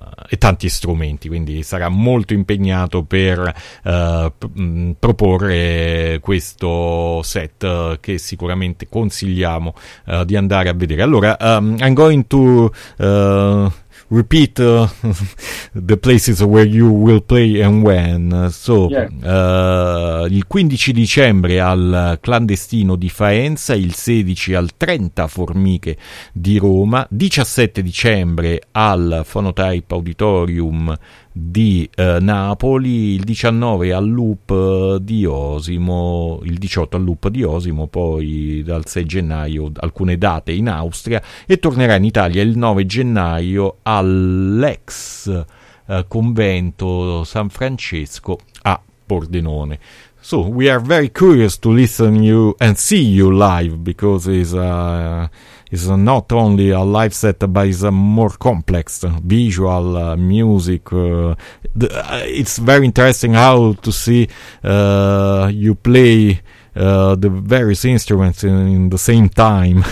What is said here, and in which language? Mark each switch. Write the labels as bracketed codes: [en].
[it] e tanti strumenti, quindi sarà molto impegnato per proporre questo set che sicuramente consigliamo di andare a vedere. [en] Allora, I'm going to repeat the places where you will play and when. So, yeah. [it] Il 15 dicembre al Clandestino di Faenza, il 16 al 30 Formiche di Roma, 17 dicembre al Phonotype Auditorium di Napoli, il 19 al Loop di Osimo, il 18 al Loop di Osimo, poi dal 6 gennaio alcune date in Austria e tornerà in Italia il 9 gennaio all'ex convento San Francesco a Pordenone. [en] So we are very curious to listen to you and see you live, because it's not only a live set, but it's a more complex visual music. It's very interesting how to see you play the various instruments in the same time.